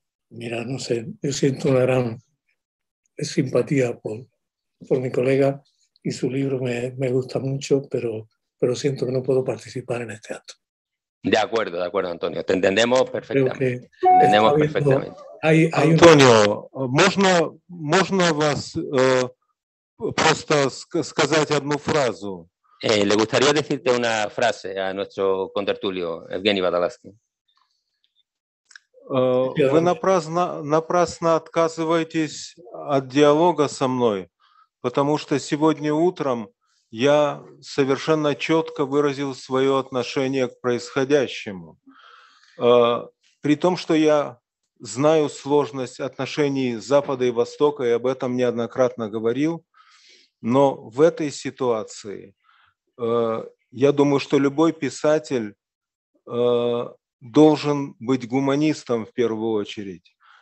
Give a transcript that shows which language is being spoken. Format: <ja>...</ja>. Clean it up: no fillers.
<es>Mira, no sé, yo siento una gran simpatía por mi colega y su libro me gusta mucho, pero siento que no puedo participar en este acto. De acuerdo, Antonio. Te entendemos perfectamente. Entendemos perfectamente.</es> <ru>Hay Antonio, ¿можно вас просто сказать одну фразу?</ru> <es>Le gustaría decirte una frase a nuestro contertulio, Evgeny Badalaskin.</es> <ru>Вы напрасно отказываетесь от диалога со мной, потому что сегодня утром я совершенно четко выразил свое отношение к происходящему. При том, что я знаю сложность отношений Запада и Востока, и об этом неоднократно говорил, но в этой ситуации, я думаю, что любой писатель должен быть гуманистом в первую очередь.</ru>